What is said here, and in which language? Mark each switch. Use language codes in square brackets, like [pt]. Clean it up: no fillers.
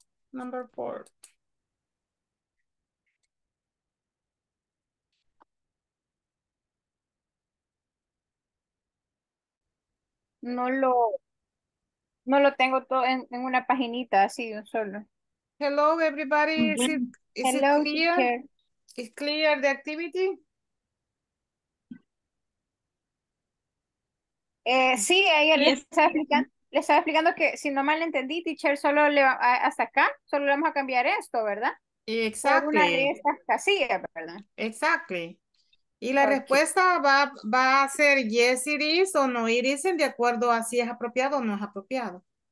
[en] Number 4. [es] no lo tengo todo en una paginita así de un solo. [en] Hello everybody, is it clear? Is clear the activity? [es] Sí, ella le estaba explicando que si no mal entendí, teacher, solo le va, hasta acá, solo le vamos a cambiar esto, ¿verdad? [en] Exactly. Exactly. [es] Y la respuesta va a ser [en] yes it is [es] o [en] no it isn't, [es] de acuerdo a si es apropiado o no es apropiado.